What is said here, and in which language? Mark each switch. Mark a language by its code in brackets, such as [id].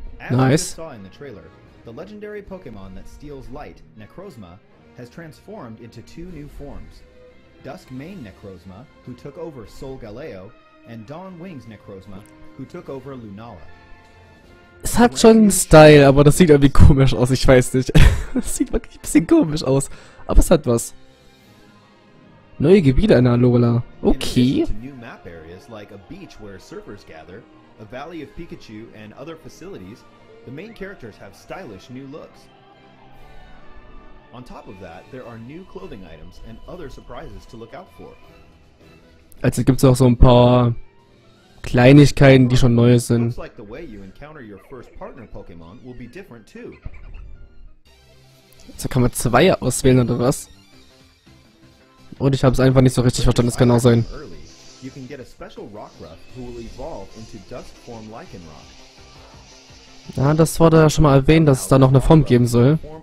[en] Nice. As you saw in the trailer, the legendary Pokémon that steals light, Necrozma, has transformed into 2 new forms. Dusk Mane Necrozma, who took over Solgaleo, and Dawn Wings Necrozma, who took over Lunala. [de] Es hat schon einen Style, aber das sieht irgendwie komisch aus, ich weiß nicht. Das sieht wirklich ein bisschen komisch aus, aber es hat was. Neue Gebiete in Alola. Okay. [en] New map areas like a beach where surfers gather, a valley of Pikachu and other facilities, the main characters have stylish new looks. On top of that, there are new clothing items and other surprises to look out for. [de] Also gibt's auch so ein paar Kleinigkeiten, die schon neu sind. [en] Looks like the way you encounter your first partner Pokémon will be different too. [de] Also kann man zwei auswählen oder was? Und ich habe es einfach nicht so richtig verstanden, das kann auch sein. [en] You can get a special Rockruff who will evolve into dust form Lycanroc. [de] Ja, das wurde ja schon mal erwähnt, dass es da noch eine Form geben soll.